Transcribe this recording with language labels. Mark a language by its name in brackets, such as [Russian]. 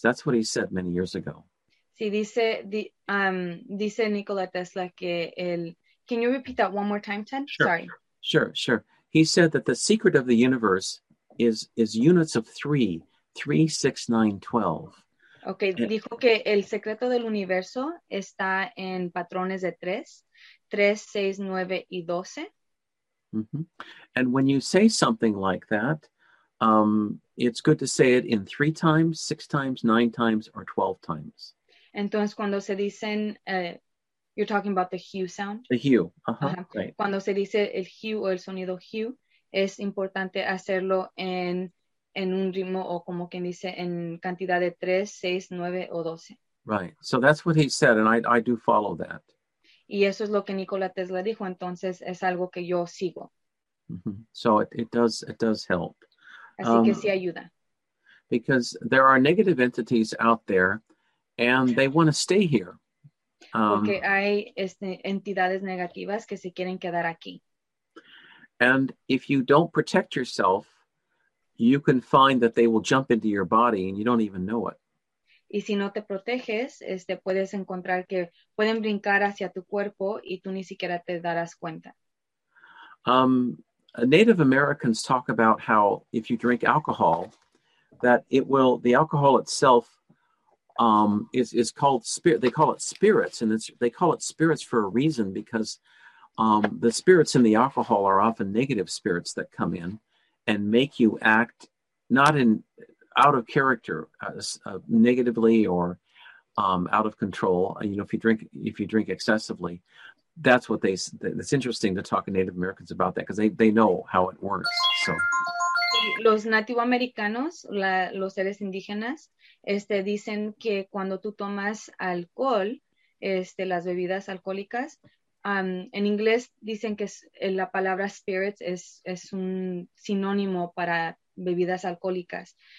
[English] That's what he said many years ago. [Spanish] Sí, dice Nikola Tesla que el... [English] Can you repeat that one more time, Ted? Sure. Sorry. Sure. He said that the secret of the universe is units of 3, 3, 6, 9, 12. [Spanish] Okay, dijo que el secreto del universo está en patrones de 3, 6, 9, y 12. Mm-hmm. [English] And when you say something like that, it's good to say it in 3 times, 6 times, 9 times, or 12 times. [Spanish] Entonces, cuando se dicen, [English] you're talking about the hue sound? The hue, uh-huh. Right. [Spanish] Cuando se dice el hue o el sonido hue, es importante hacerlo en un ritmo o como quien dice, en cantidad de 3, 6, 9, o 12. [English] Right. So that's what he said, and I do follow that. [Spanish] Y eso es lo que Nikola Tesla dijo, entonces es algo que yo sigo. [English] Mm-hmm. So it does help. [Spanish] Así que sí ayuda. [English] Because there are negative entities out there, and they want to stay here. [Spanish] Porque hay entidades negativas que se quieren quedar aquí. [English] And if you don't protect yourself, you can find that they will jump into your body and you don't even know it. [Spanish] Y si no te proteges, puedes encontrar que pueden brincar hacia tu cuerpo y tú ni siquiera te darás cuenta. [English] Native Americans talk about how if you drink alcohol, that it will, the alcohol itself is called spirit. They call it spirits, and it's, they call it spirits for a reason, because the spirits in the alcohol are often negative spirits that come in and make you act not in out of character, negatively or out of control. You know, if you drink excessively, that's what they. It's interesting to talk to Native Americans about that, because they know how it works. So. [Spanish] Los nativo americanos, los seres indígenas, dicen que cuando tú tomas alcohol, las bebidas alcohólicas, en inglés dicen que la palabra spirits es un sinónimo para bebidas alcohólicas.